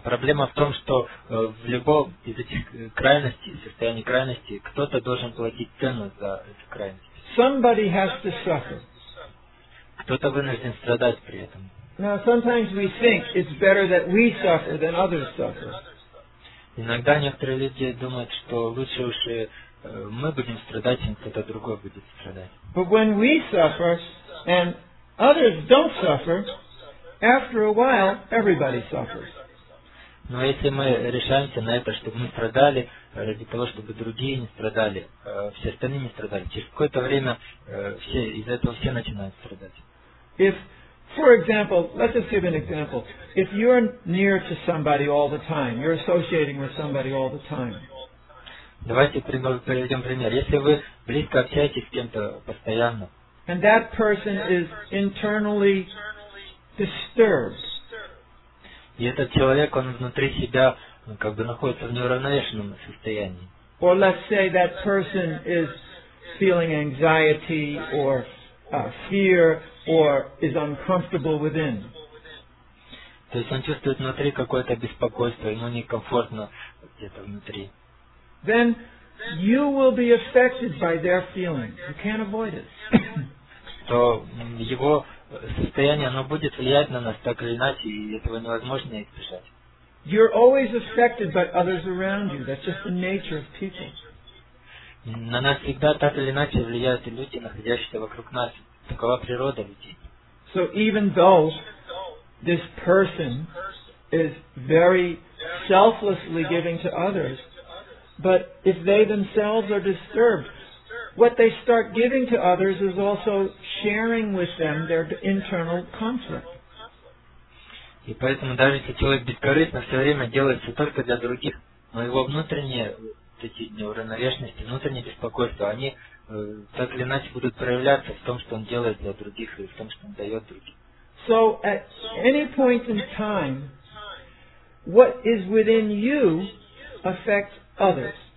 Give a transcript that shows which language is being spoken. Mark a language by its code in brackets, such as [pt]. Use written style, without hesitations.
[ru] Проблема в том, что в любом из этих крайностей, состояний крайности, кто-то должен платить цену за эту крайность. [en] Somebody has to suffer. [ru] Кто-то вынужден страдать при этом. [en] Now, sometimes we think it's better that we suffer than others suffer. [ru] Иногда некоторые люди думают, что лучше уж мы будем страдать, чем кто-то другой будет страдать. [en] But when we suffer and others don't suffer, after a while, everybody suffers. [ru] Но если мы решаемся на это, чтобы мы страдали, ради того, чтобы другие не страдали, все остальные не страдали, через какое-то время все из-за этого все начинают страдать. [en] If, for example, let's just give an example. If you're near to somebody all the time, you're associating with somebody all the time. [ru] Давайте приведем пример. Если вы близко общаетесь с кем-то постоянно, [en] and that person is internally disturbed. [ru] И этот человек, он внутри себя как бы находится в неуравновешенном состоянии. [en] Or let's say that person is feeling anxiety or fear or is uncomfortable within. [ru] То есть он чувствует внутри какое-то беспокойство, ему некомфортно где-то внутри. [en] Then you will be affected by their feeling. You can't avoid it. [ru] То его состояние, оно будет влиять на нас так или иначе, и этого невозможно избежать. [en] You're always affected by others around you. That's just the nature of people. [ru] На нас всегда так или иначе влияют люди, находящиеся вокруг нас. Такова природа людей. [en] So even though this person is very selflessly giving to others, but if they themselves are disturbed, what they start giving to others is also sharing with them their internal conflict. [ru] И поэтому даже если человек бескорыстно все время делает все только для других, но его внутренние эти неуравновешенности, внутренние беспокойства, они так или иначе будут проявляться в том, что он делает для других и в том, что он дает другим. [en] So at any point in time, what is within you affects others.